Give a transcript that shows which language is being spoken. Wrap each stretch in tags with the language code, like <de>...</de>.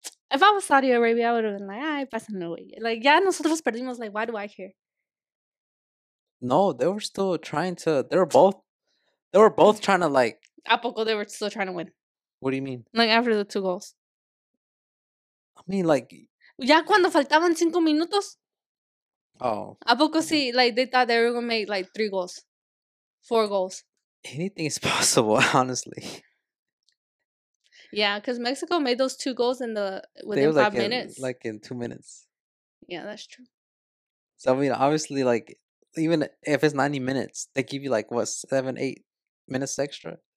<en>If I was Saudi Arabia, I would have been like,</en> <es>ay, pasen</es> <en>no way. Like,</en> <es>ya nosotros perdimos.</es> <en>Like, why do I care? No, they were still trying to. They were both trying to, like.</en> <es>A poco,</es> <en>they were still trying to win. What do you mean? Like, after the two goals. I mean, like.</en> <es>Ya cuando faltaban 5 minutos. Oh. A poco,</es> <en>okay.</en> <es>Sí,</es> <en>like, they thought they were going to make, like, 3 goals. 4 goals. Anything is possible, honestly. Yeah, because Mexico made those 2 goals in the within five like minutes. Like, in 2 minutes. Yeah, that's true. So, I mean, obviously, like, even if it's 90 minutes, they give you, like, what, 7, 8 minutes extra?</en>